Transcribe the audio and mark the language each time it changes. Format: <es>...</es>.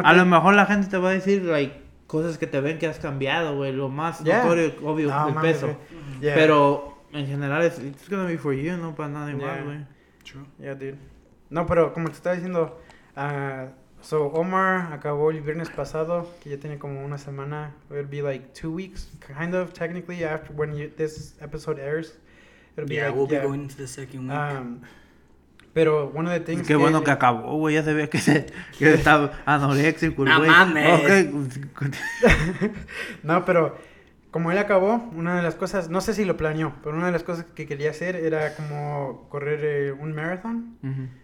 <es>a lo mejor la gente te va a decir, like, cosas que te ven que has cambiado, güey. Lo más notorio, obvio, no, el man, peso. Okay. Yeah. Pero, en general,</es> <en>it's gonna be for you,</en> <es>no para nadie más, güey.</es> <en>True. Yeah, dude.</en> <es>No, pero como te estaba diciendo... So, Omar acabó el viernes pasado, que ya tiene como una semana.</es> <en>It'll be like 2 weeks, kind of, technically, after when this episode airs. We'll be going into the second week. Pero one of the things...</en> <es>Qué bueno que acabó, güey. Ya se ve que estaba anoréxico, güey. No mames. No, pero como él acabó, una de las cosas... No sé si lo planeó, pero una de las cosas que quería hacer era como correr un marathon. Mm-hmm.</es>